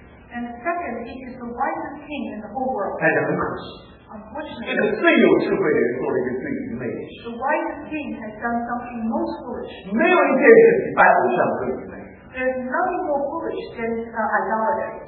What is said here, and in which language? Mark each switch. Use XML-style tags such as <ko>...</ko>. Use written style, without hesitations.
<en>And second, he is the wisest king in the whole world.</en> <zh>这个最有智慧的人做了一个最愚昧的事。</zh> <en>The wise king has done something most foolish.</en> <zh>没有一件事比拜偶像更愚昧。</zh> <en>There's nothing more foolish than idolatry.</en>